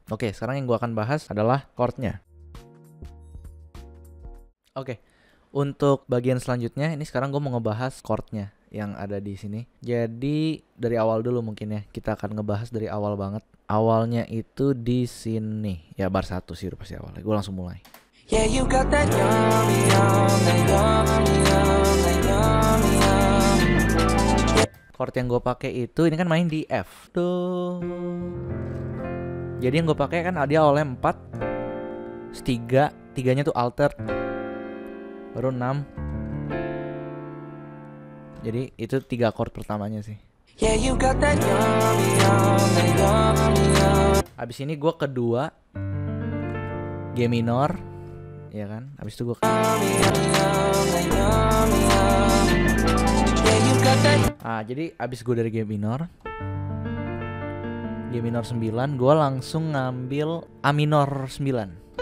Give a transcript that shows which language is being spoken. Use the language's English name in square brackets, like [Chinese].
[Indonesian] Oke, sekarang yang gua akan bahas adalah chordnya. Oke, untuk bagian selanjutnya ini sekarang gua mau ngebahas chordnya yang ada di sini. Jadi dari awal dulu mungkin ya, kita akan ngebahas dari awal banget. Awalnya itu di sini. Ya bar 1 sih pasti awalnya. Gua langsung mulai. [English] Yeah, you got that yummy, yummy, yummy, yummy, yummy. [Indonesian] Chord yang gue pakai itu, ini kan main di F. Do. Jadi yang gue pakai kan dia awalnya 4, 3, 3-nya tuh alter, baru 6. Jadi itu 3 chord pertamanya sih. [English] Yeah, you got that yummy, yummy, yummy. [Indonesian] Abis ini gue kedua, G minor, ya kan? Abis itu gue ke... Ah, jadi abis gue dari G minor 9, gue langsung ngambil A minor 9.